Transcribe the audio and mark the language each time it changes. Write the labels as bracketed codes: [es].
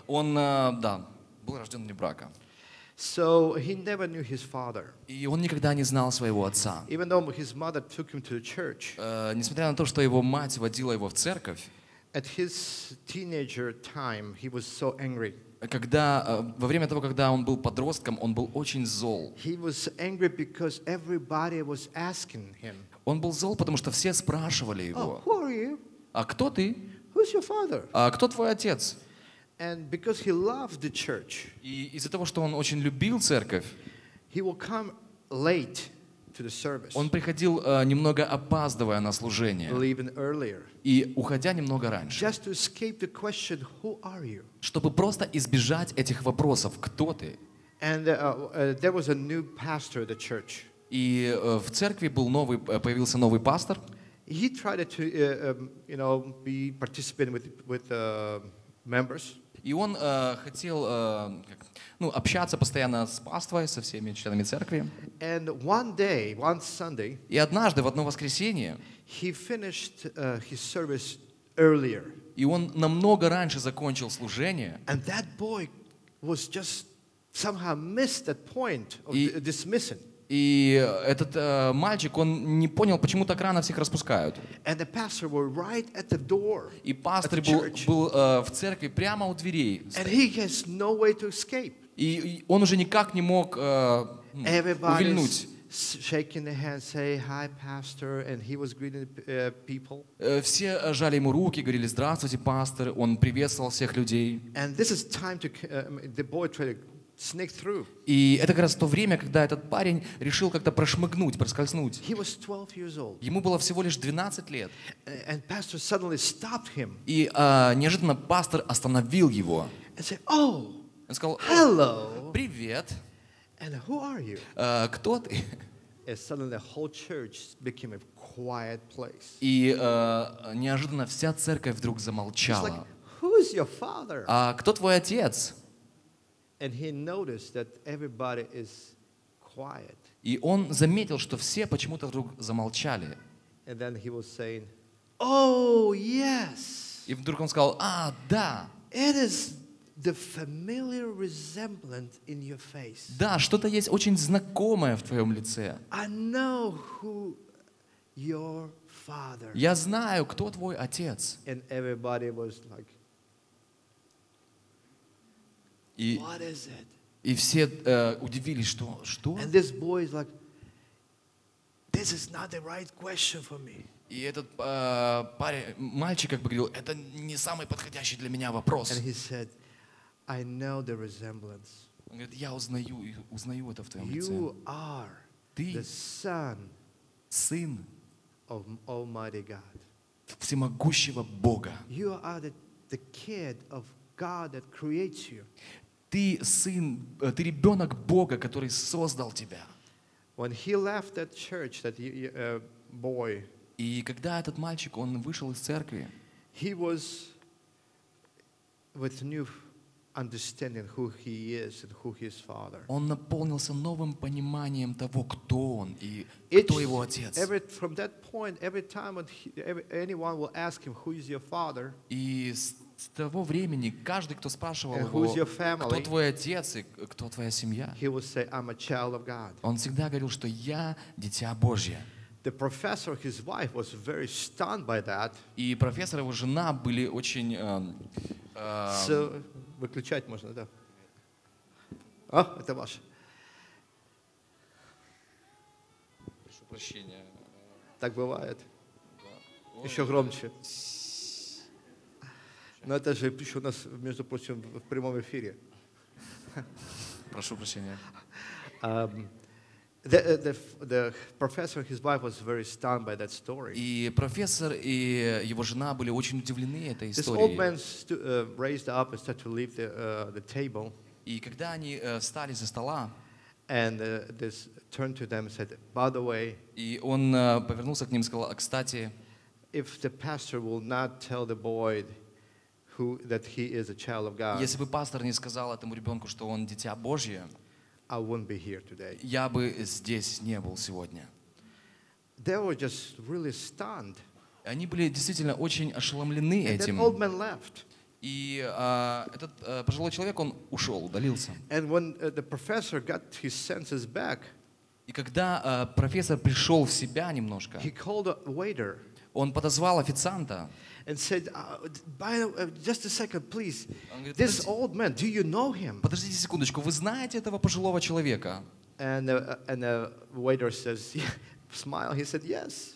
[ru] Он да, был рожден вне брака. [en] So he never knew his father. [ru] И он никогда не знал своего отца. [en] Even though his mother took him to the church. [ru] Несмотря на то, что его мать водила его в церковь. [en] At his teenager time, he was so angry. [ru] Когда во время того, когда он был подростком, он был очень зол. [en] He was angry because everybody was asking him. [ru] Он был зол, потому что все спрашивали его. [en] Oh, who are you? [ru] А кто ты? [en] Who's your father? [ru] А кто твой отец? [en] And because he loved the church, [ru] и из-за того, что он очень любил церковь, [en] he will come late to the service. [ru] Он приходил немного опаздывая на служение, [en] leaving earlier, [ru] и уходя немного раньше, [en] just to escape the question, who are you? [ru] Чтобы просто избежать этих вопросов, кто ты? [en] And there was a new pastor at the church. [ru] И в церкви был новый, появился новый пастор. [en] He tried to, you know, be participating with members. [ru] И он хотел общаться постоянно с паствой, со всеми членами церкви. [en] And one day, one Sunday, [ru] и однажды, в одно воскресенье, [en] he finished, his service earlier. [ru] И он намного раньше закончил служение. [en] And that boy was just somehow missed that point of dismissing. [ru] И этот мальчик, он не понял, почему так рано всех распускают. [en] And the pastor were right at the door. [ru] И пастор был в церкви прямо у дверей. [en] And he has no way to escape. [ru] И он уже никак не мог увильнуть. [en] Shaking the hand, say hi, pastor, and he was greeting people. [ru] Все жали ему руки, говорили здравствуйте, пастор. Он приветствовал всех людей. [en] And this is time to the boy tried to sneak through. [ru] И это как раз то время, когда этот парень решил как-то прошмыгнуть, проскользнуть. [en] He was 12 years old. [ru] Ему было всего лишь 12 лет. [en] And pastor suddenly stopped him. [ru] И неожиданно пастор остановил его. [en] And said, "Oh, [ru] он сказал, [en] hello. [ru] Привет. [en] And who are you?" [ru] Кто ты? [en] And suddenly the whole church became a quiet place. [ru] И неожиданно вся церковь вдруг замолчала. [en] Like, who is your father? [ru] А кто твой отец? [en] And he noticed that everybody is quiet. [ru] И он заметил, что все почему-то вдруг замолчали. [en] And then he was saying, "Oh, yes." [ru] И вдруг он сказал: "А, да." [en] It is the familiar resemblance in your face. [ru] Да, что-то есть очень знакомое в твоем лице. [en] I know who your father. [ru] Я знаю, кто твой отец. [en] And everybody was like, "What is it?" [ru] И все удивились, что что? [en] And this boy is like, "This is not the right question for me." [ru] И этот мальчик как бы говорил, это не самый подходящий для меня вопрос. [en] And he said, "I know the resemblance." [ru] Он говорит, я узнаю это в твоем лице. [en] You are the son, [ru] сын, [en] of Almighty God. [ru] Всемогущего Бога. [en] You are the kid of God that creates you. [ru] Ты сын, ты ребенок Бога, который создал тебя. [en] When he left that church, that boy. [ru] И когда этот мальчик, он вышел из церкви, [en] he was with new understanding who he is and who his father. [ru] Он наполнился новым пониманием того, кто он и кто его отец. [en] Every from that point, every time anyone will ask him, who is your father? [ru] И с того времени каждый, кто спрашивал его, кто твой отец и кто твоя семья, [en] say, [ru] он всегда говорил, что я дитя Божье. [en] The professor, his wife, was very stunned by that. [ru] И профессор и его жена были очень... So, выключать можно, да? А, это ваш. Прошу прощения. Так бывает. Да. Еще громче. Но это же еще у нас, между прочим, в прямом эфире. Прошу прощения. [en] The professor, his wife was very stunned by that story. [ru] И профессор и его жена были очень удивлены этой историей. [en] This old man raised up and started to leave the table. [ru] И когда они встали за стола, [en] and this turned to them and said, "By the way." [ru] И он повернулся к ним и сказал: "Кстати." [en] If the pastor will not tell the boy that he is a child of God. [ru] Если бы пастор не сказал этому ребенку, что он дитя Божье, [en] I wouldn't be here today. [ru] Я бы здесь не был сегодня. [en] They were just really stunned. [ru] Они были действительно очень ошеломлены этим. [en] And that old man left. [ru] И этот пожилой человек, он ушел, удалился. [en] And when the professor got his senses back, [ru] и когда профессор пришел в себя немножко, [en] he called a waiter. [ru] Он подозвал официанта. [en] And said, "Just a second, please. This old man, do you know him?" [ru] Подождите секундочку. Вы знаете этого пожилого человека? [en] And the waiter says, smile. He said, "Yes."